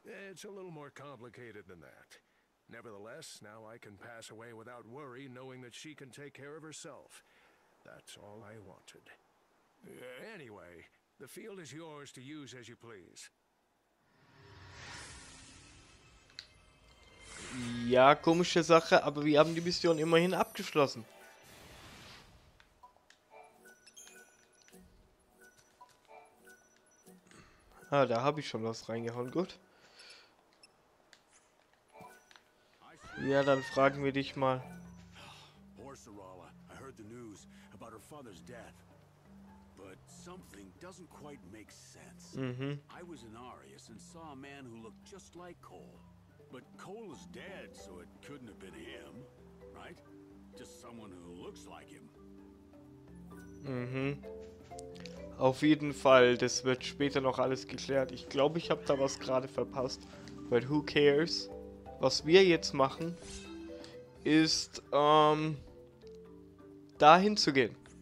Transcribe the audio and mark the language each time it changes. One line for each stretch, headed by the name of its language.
English: It's a little more complicated than that. Nevertheless, now I can pass away without worry, knowing that she can take care of herself. That's all I wanted. Anyway, the field is yours to use as you please.
German: Ja, komische Sache, aber wir haben die Mission immerhin abgeschlossen. Ah, da habe ich schon was reingehauen, gut. Ja, dann fragen wir dich mal.
English: Poor Sarala, I heard the news about her father's death. But something doesn't quite make sense. I was in Arius and saw a man who looked just like Cole. But Cole is dead, so it couldn't have been him, right? Just someone who looks like him. Mhm.
German: Auf jeden Fall, das wird später noch alles geklärt. Ich glaube, ich habe da was gerade verpasst.
English: But who cares?
German: Was wir jetzt machen, ist, dahin zu gehen.